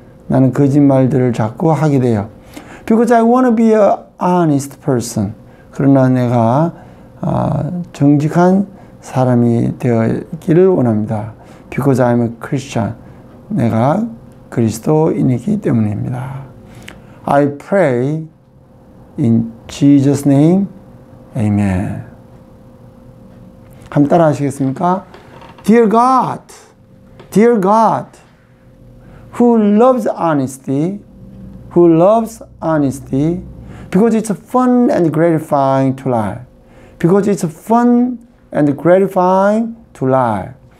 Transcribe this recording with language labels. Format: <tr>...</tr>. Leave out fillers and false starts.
<ko>나는 거짓말들을 자꾸 하게 돼요.</ko> <en>Because I want to be an honest person.</en> <ko>그러나 내가 정직한 사람이 되기를 원합니다.</ko> <en>Because I'm a Christian.</en> <ko>내가 그리스도인이기 때문입니다.</ko> <en>I pray in Jesus' name. Amen.</en> <ko>한번 따라 하시겠습니까?</ko> <en>Dear God, Dear God, who loves honesty, who loves honesty, because it's fun and gratifying to lie. Because it's fun and gratifying to lie.</en>